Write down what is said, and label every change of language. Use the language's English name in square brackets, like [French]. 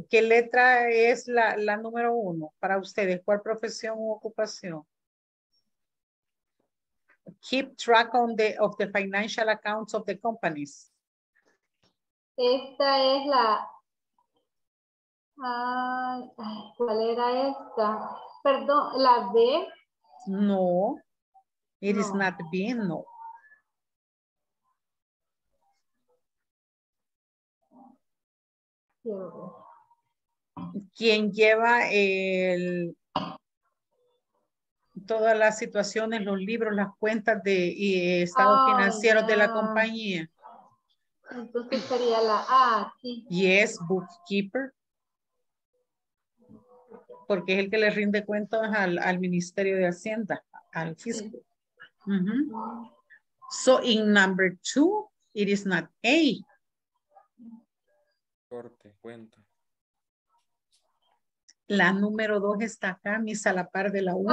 [Spanish] ¿Qué letra es la número uno para ustedes? ¿Cuál profesión u ocupación? [English] Keep track on the of the financial accounts of the companies. [Spanish] Esta es la ¿Cuál era esta? Perdón, ¿la B? [English] No, it is not B, no. [Spanish] ¿Quién lleva el todas las situaciones, los libros, las cuentas de estados financieros de la compañía? Entonces sería la A, sí. [English] Yes, bookkeeper. [Spanish] Porque es el que le rinde cuentas al Ministerio de Hacienda, al fisco. Sí. Mm-hmm. [English] So in number two, it is not A. [Spanish] Corte, cuenta. La número dos está acá, Miss, a la par de la uno.